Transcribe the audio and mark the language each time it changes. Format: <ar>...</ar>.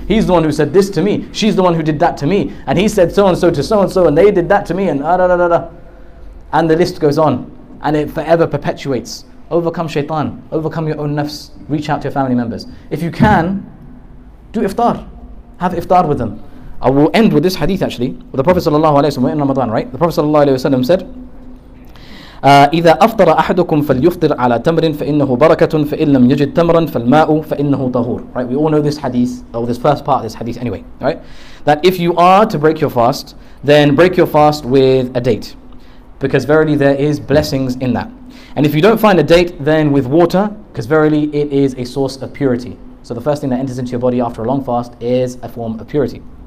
<en>He's the one who said this to me. She's the one who did that to me. And he said so-and-so to so-and-so and they did that to me and da-da-da-da-da. And the list goes on. And it forever perpetuates. Overcome shaitan. Overcome your own nafs. Reach out to your family members. If you can, do iftar. Have iftar with them. I will end with this hadith actually. With the Prophet sallallahu alaihi wasallam in Ramadan, right? The Prophet sallallahu alaihi wasallam said,</en> <ar>"إذا أفطر أحدكم فليفطر على تمر فإنه بركة فإن لم يجد تمرا فالماء فإنه طهور."</ar> <en>Right? We all know this hadith, or this first part of this hadith anyway, right? That if you are to break your fast, then break your fast with a date. Because verily there is blessings in that. And if you don't find a date, then with water, because verily it is a source of purity. So the first thing that enters into your body after a long fast is a form of purity.</en>